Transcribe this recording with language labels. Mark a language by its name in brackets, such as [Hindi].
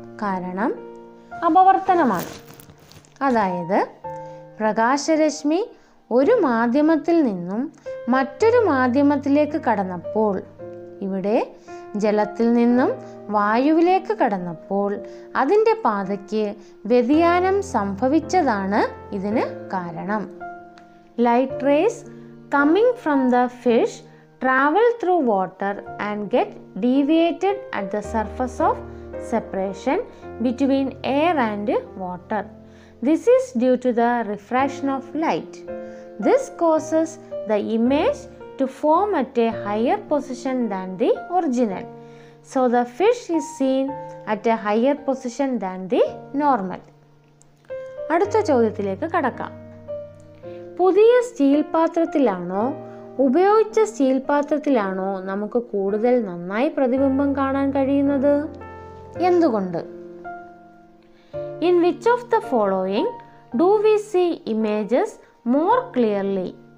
[Malayalam] കാരണം അപവർത്തനമാണ്. അതായത്, പ്രകാശരശ്മി ഒരു മാധ്യമത്തിൽ നിന്നും മറ്റൊരു മാധ്യമത്തിലേക്ക് കടന്നപ്പോൾ, ഇവിടെ ജലത്തിൽ നിന്നും വായുവിലേക്ക് കടന്നപ്പോൾ അതിൻ്റെ പാതയ്ക്ക് വ്യതിയാനം സംഭവിച്ചതാണ് ഇതിന് കാരണം. [English] Light rays coming from the fish travel through water and get deviated at the surface of separation between air and water. This is due to the refraction of light. This causes the image to form at a higher position than the original. So the fish is seen at a higher position than the normal. [Malayalam] അടുത്ത ചോദ്യത്തിലേക്ക് കടക്കാം. പുതിയ steel പാത്രത്തിലാണോ ഉപയോഗിച്ച steel പാത്രത്തിലാണോ നമുക്ക് കൂടുതൽ നന്നായി പ്രതിബിംബം കാണാൻ കഴിയുന്നത്? എന്തുകൊണ്ട്? [English] In which of the following do we see images more clearly?